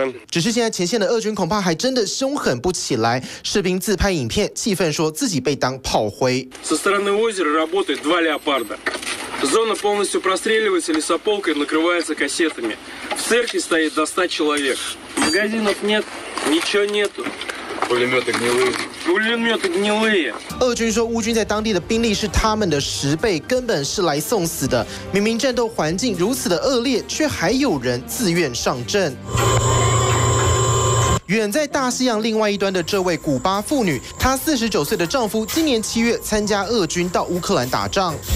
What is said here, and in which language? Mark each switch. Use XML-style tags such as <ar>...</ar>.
<zh>只是现在前线的俄军恐怕还真的凶狠不起来。士兵自拍影片，气愤说自己被当炮灰。</zh> <ru>Со стороны озера работают два леопарда. Зона полностью простреливается лесополкой, накрывается кассетами. В церкви стоит до 100 человек. Магазинов нет, ничего нету. Пулеметы гнилые. Пулеметы гнилые.</ru> <zh>俄军说乌军在当地的兵力是他们的10倍，根本是来送死的。明明战斗环境如此的恶劣，却还有人自愿上阵。远在大西洋另外一端的这位古巴妇女，她49岁的丈夫今年7月参加俄军到乌克兰打仗。</zh>